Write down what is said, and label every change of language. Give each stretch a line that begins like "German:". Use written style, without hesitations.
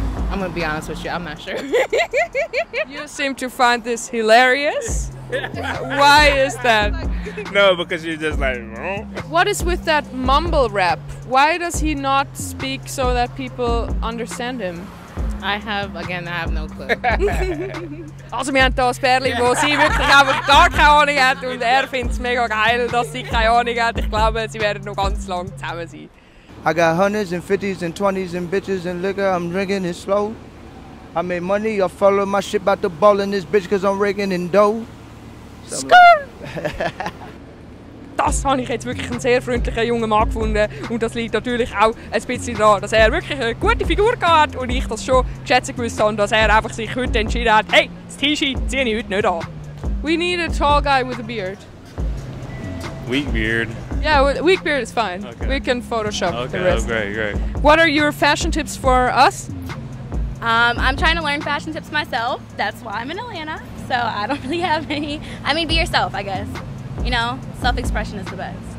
English: I'm gonna be honest with you, I'm not sure. You seem to find this hilarious. Why is that? No, because you're just like... What is with that mumble rap? Why does he not speak so that people understand him? I have no clue.
German: Also, wir haben hier ein Pärchen, wo sie wirklich einfach gar keine Ahnung hat. Und er findet es mega geil, dass sie keine Ahnung hat. Ich glaube, sie werden noch ganz lange zusammen sein.
English: I got hundreds and fifties and twenties and bitches and liquor, I'm drinking it slow. I made money, I follow my shit about the ball in this bitch cause I'm raking in dough. Skrrr!
German: Das habe ich jetzt wirklich einen sehr freundlichen jungen Mann gefunden. Und das liegt natürlich auch ein bisschen daran, dass er wirklich eine gute Figur hat und ich das schon geschätzt gewusst habe, dass er einfach sich heute entschieden hat, hey, das T-Shirt ziehe ich heute nicht an.
English: We need a tall guy with a beard. Weak beard. Yeah, weak beard is fine. Okay. We can Photoshop okay, the rest. Okay, great, great. What are your fashion tips for us? I'm trying to learn fashion tips myself. That's why I'm in Atlanta. So I don't really have any. I mean, be yourself, I guess. You know, self-expression is the best.